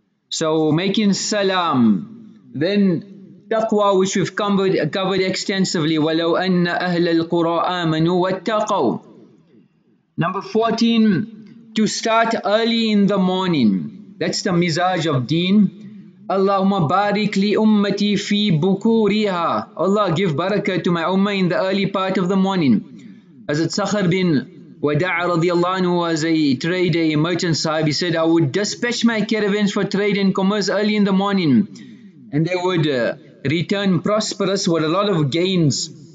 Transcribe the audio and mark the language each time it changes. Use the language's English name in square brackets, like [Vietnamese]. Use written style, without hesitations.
[English] So making salam, then taqwa, which we've covered extensively. [Arabic] وَلَوْ أَنَّ أَهْلَ الْقُرَىٰ آمَنُوا وَاتَّقَوْا. [English] Number 14, to start early in the morning. That's the mizaj of deen. [Arabic] اللهم بارك لي أمتي في بكوريها. [English] Allah, give barakah to my ummah in the early part of the morning. As it Sakhr bin Wada'a radiallahu anhu was a trader, a merchant sahib, he said, I would dispatch my caravans for trade and commerce early in the morning, and they would return prosperous with a lot of gains.